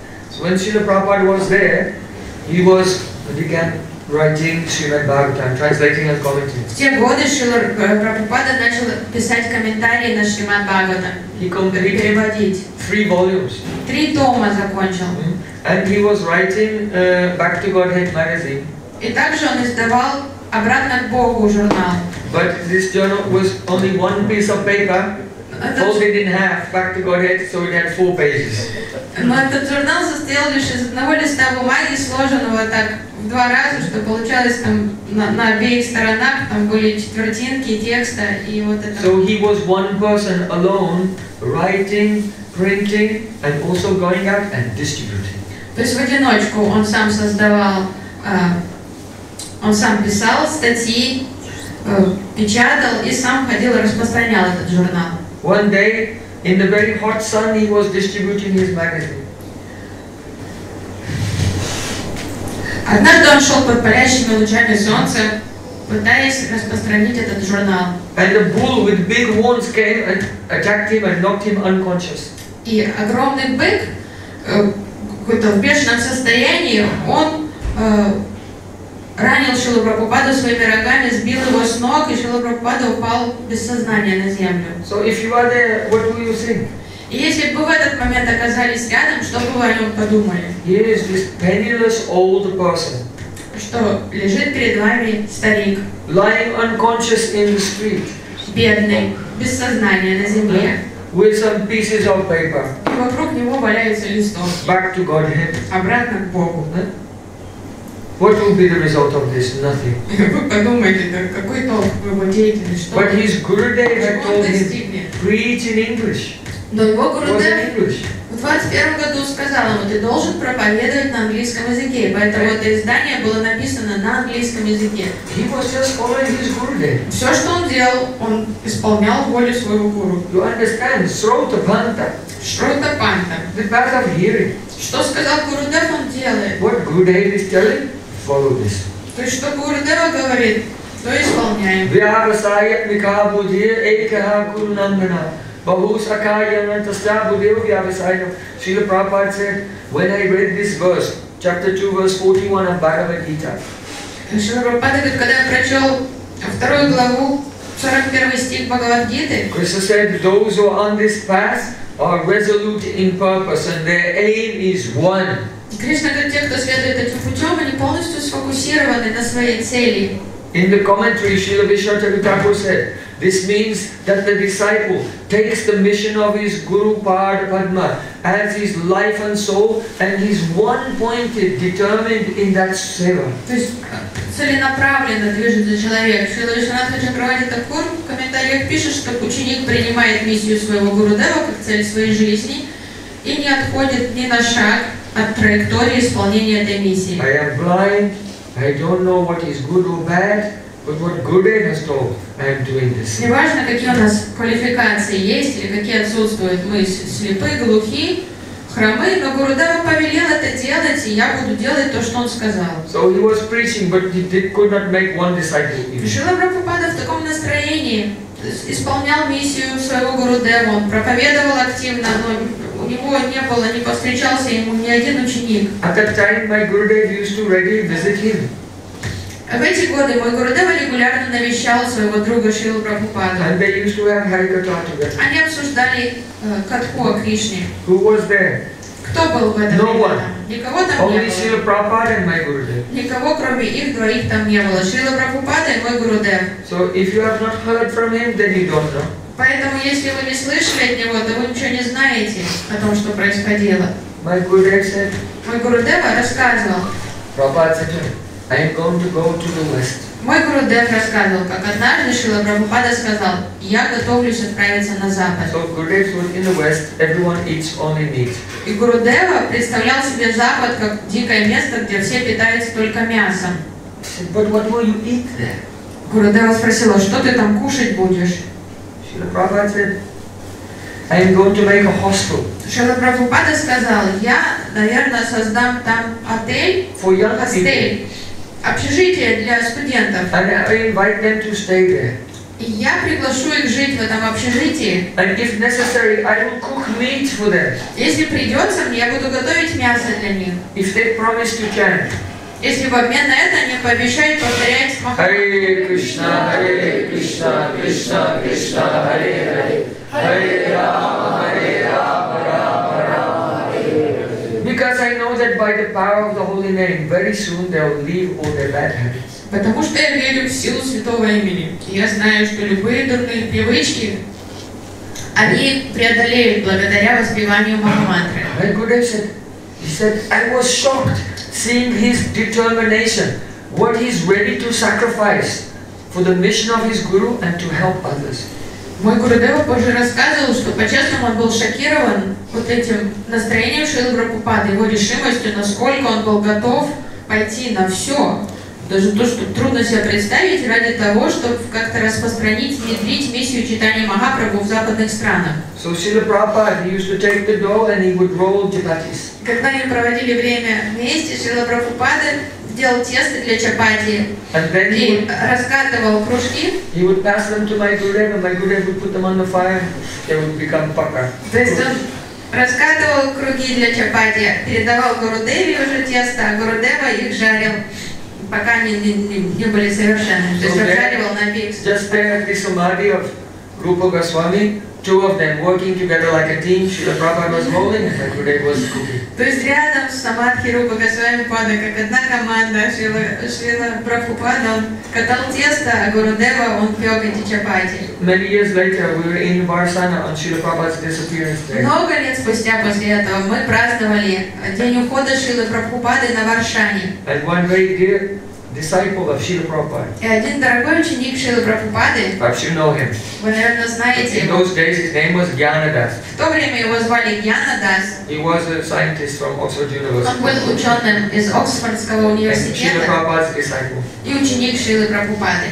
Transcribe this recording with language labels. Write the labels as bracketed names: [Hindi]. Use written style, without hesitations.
[English] So when Srila Prabhupada was there, he was began writing Srimad Bhagavatam, translating and commenting. [Russian] В те годы Шрила Прабхупада начал писать комментарии на Шримад Бхагаватам. [English] He completed 3 volumes. [Russian] 3 тома закончил. Mm-hmm. [English] And he was writing Back to Godhead magazine. [Russian] И также он издавал Обратно к Богу журнал. [English] But this journal was only one piece of paper, folded in half, Back to Godhead, so it had 4 pages. [Russian] Но этот журнал состоял лишь из одного листа бумаги, сложенного так в 2 раза, что получалось там на обеих сторонах там были четвертинки текста и вот это. [English] So he was one person alone writing, printing, and also going out and distributing. [Russian] То есть в одиночку он сам создавал, он сам писал статьи, печатал и сам ходил и распространял этот журнал. [English] One day, in the very hot sun, he was distributing his magazine. [Russian] Однажды он шел под палящими лучами солнца, пытаясь распространить этот журнал. [English] And a bull with big horns came and attacked him and knocked him unconscious. [Russian] И огромный бык, какой-то в бешеном состоянии, он ранил Шрилу Прабхупаду своими рогами, сбил его с ног, и Шрила Прабхупада упал без сознания на землю. [English] So if you are there, what will you think? [Russian] И если бы в этот момент оказались рядом, что бы вы о нем подумали? [English] Here is this penniless old person. [Russian] Что лежит перед вами старик. [English] Lying unconscious in the street. [Russian] Бедный, без сознания на земле. [English] With some pieces of paper. [Russian] И вокруг него валяется листок. [English] Back to Godhead. [Russian] Обратно к Богу. [English] What will be the result of this? Nothing. [Russian] Вы подумайте, какой толк в его деятельности? [English] But his Gurudev had told him, preach in English. [Russian] Но его Gurudev в 21 году сказал ему, ты должен проповедовать на английском языке. Поэтому это издание было написано на английском языке. [English] He was just following his Gurudev. [Russian] Все, что он делал, он исполнял волю своего гуру. [English] You understand? Shruta Panta. [Sanskrit] Shruta Panta. [English] The path of hearing. [Russian] Что сказал Gurudev, он делает. [English] What Gurudev is telling, follow this. [Russian] То есть, что Gurudev говорит, то исполняем. [Sanskrit] Vyavasaya Mikabudhir Ekaha Guru Nandana. [English] Srila Prabhupada said, when I read this verse, chapter 2, verse 41 of Bhagavad Gita. Srila Prabhupada said, [Russian] когда я прочел вторую главу, 41 стих Бхагавад Гиты. [English] Krishna said, those who are on this path are resolute in purpose and their aim is one. [Russian] Krishna говорит, те, кто следует этим путем, они полностью сфокусированы на своей цели. [English] In the commentary, Srila Vishvacharya Thakur said, this means that the disciple takes the mission of his Guru Pada Padma as his life and soul, and he's one-pointed, determined in that seva. [Russian] Целенаправленно движется человек. Шрила Вишванатха Чакраварти Такур в комментариях пишет, что ученик принимает миссию своего Гурудева как цель своей жизни и не отходит ни на шаг от траектории исполнения этой миссии. [English] I am blind. I don't know what is good or bad, but what Gurudev has told, I am doing this. [Russian] Неважно, какие у нас квалификации есть или какие отсутствуют. Мы слепые, глухие. Хромые, но Гурудева повелел это делать, и я буду делать то, что он сказал. [English] So he was preaching, but he did, could not make one disciple even. [Russian] Шрила Прабхупада в таком настроении исполнял миссию своего Гурудева. Он проповедовал активно, но у него не было, не повстречался ему ни один ученик. [English] At that time my Gurudev used to regularly visit him. [Russian] В эти годы мой Гурудева регулярно навещал своего друга Шрилу Прабхупаду. [English] And they used to have Харикатха together. [Russian] Они обсуждали катху о Кришне. [English] Who was there? [Russian] Кто был в этом? [English] No one. [Russian] Никого там не было. [English] Only Шрила Прабхупада and my Gurudev. [Russian] Никого, кроме их двоих, там не было. Шрила Прабхупада и мой Гурудев. [English] So if you have not heard from him, then you don't know. [Russian] Поэтому если вы не слышали от него, то вы ничего не знаете о том, что происходило. [English] My Gurudev said. [Russian] Мой Гурудева рассказывал. [English] Прабхупада said. I am going to go to the west. [Russian] Мой Гурудев рассказывал, как однажды Шрила Прабхупада сказал, я готовлюсь отправиться на запад. [English] So Gurudev was in the west, everyone eats only meat. [Russian] И Гурудева представлял себе запад как дикое место, где все питаются только мясом. [English] But what will you eat there? [Russian] Гурудева спросила, что ты там кушать будешь? [English] Шрила Прабхупада said, I am going to make a hostel. [Russian] Шрила Прабхупада сказал, я, наверное, создам там отель. [English] For young people. [Russian] Общежитие для студентов. [English] And I invite them to stay there. [Russian] И я приглашу их жить в этом общежитии. [English] And if necessary, I will cook meat for them. [Russian] Если придется, я буду готовить мясо для них. [English] If they promise to chant. [Russian] Если в обмен на это они пообещают повторять [Sanskrit] Махамантру. Hare Krishna, Hare Krishna, Krishna Krishna, Krishna Hare Hare, Hare Rama, Hare Rama, Rama Rama Hare. [English] Because I know that by the power of the holy name, very soon they will leave all their bad habits. [Russian] Потому что я верю в силу святого имени. Я знаю, что любые дурные привычки они преодолеют благодаря воспеванию Махамантры. [English] My Gurudev said, he said, I was shocked seeing his determination, what he is ready to sacrifice for the mission of his guru and to help others. [Russian] Мой Гурудева позже рассказывал, что по-честному он был шокирован вот этим настроением Шрилы Прабхупады, его решимостью, насколько он был готов пойти на все. Даже то, что трудно себе представить ради того, чтобы как-то распространить, внедрить миссию читания Махапрабху в западных странах. [English] So Srila Prabhupada used to take the dough and he would roll chapatis. [Russian] Когда они проводили время вместе, Шрила Прабхупада делал тесто для чапати и [English] would, [Russian] раскатывал кружки. [English] He would pass them to my Gurudev and my Gurudev would put them on the fire. They would become paka. [Russian] То есть он раскатывал круги для чапати, передавал Гурудеве уже тесто, а Гурудева их жарил. Пока не были совершенны. [English] So there, just there at the samadhi of Rupa Goswami, two of them working together like a team, Srila Prabhupada was rolling and my Gurudev was cooking. [Russian] То есть рядом с самадхи Рупа Госвами Пада, как одна команда, Шрила Прабхупада, он катал тесто, а Гурудева, он пёк эти чапати. [English] Many years later, we were in Varsana on Srila Prabhupada's disappearance day. [Russian] Много лет спустя после этого мы праздновали день ухода Шрилы Прабхупады на Варшане. [English] And one very dear disciple of Srila Prabhupada. [Russian] И один дорогой ученик Шрилы Прабхупады. [English] Perhaps you know him. [Russian] Вы, наверное, знаете. [English] In those days, his name was Gyanadas. [Russian] В то время его звали Гьянадас. [English] He was a scientist from Oxford University. [Russian] Он был ученым из Оксфордского университета. [English] And Srila Prabhupada's disciple. [Russian] И ученик Шрилы Прабхупады.